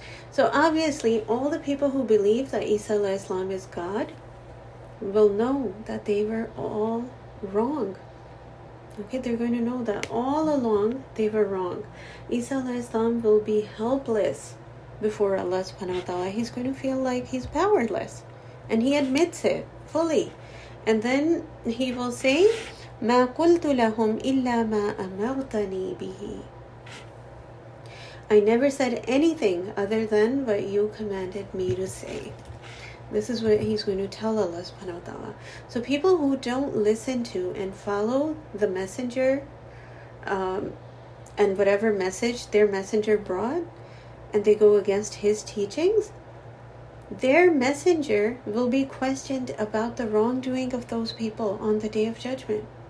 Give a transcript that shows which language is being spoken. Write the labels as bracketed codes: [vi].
[en] So obviously, all the people who believe that Isa alayhi salam is God will know that they were all wrong. Okay, they're going to know that all along they were wrong. Isa alayhi salam will be helpless before Allah subhanahu wa ta'ala. He's going to feel like he's powerless. And he admits it fully. And then he will say, [ar] مَا قُلْتُ لَهُمْ إِلَّا مَا أَمَرْتَنِي بِهِ. [en] I never said anything other than what you commanded me to say. This is what he's going to tell Allah subhanahu wa ta'ala. So people who don't listen to and follow the messenger and whatever message their messenger brought, and they go against his teachings, their messenger will be questioned about the wrongdoing of those people on the Day of Judgment.